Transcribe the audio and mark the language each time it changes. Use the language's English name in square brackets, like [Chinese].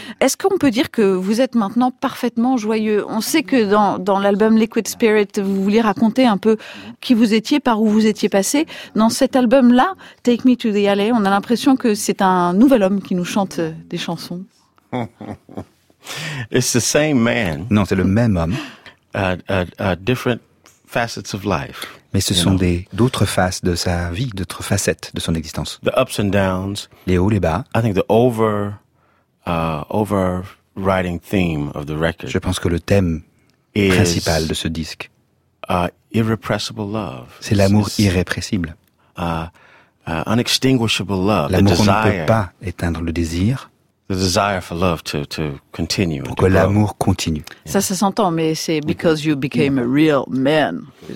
[French] Est-ce qu'on peut dire que vous êtes maintenant parfaitement joyeux? On sait que dans l'album Liquid Spirit, vous vouliez raconter un peu qui vous étiez, par où vous étiez passé. Dans cet album-là, Take Me to the LA, on a l'impression que c'est un nouvel homme qui nous chante des chansons. [English] It's the same man. [French] Non, c'est le même homme. [English] Different facets of life. [French] Mais ce sont d'autres faces de sa vie, d'autres facettes de son existence. [English] The ups and downs. [French] Les hauts, les bas. [English] I think the overriding theme of the record. [French] Je pense que le thème principal de ce disque. [English] Irrepressible love. [French] C'est l'amour irrépressible. [English] Unextinguishable love. [French] L'amour qu'on ne peut pas éteindre, le désir. [English] The desire for love to continue. [French] Pour que l'amour continue. Ça, ça s'entend, mais c'est [English] because you became a real man.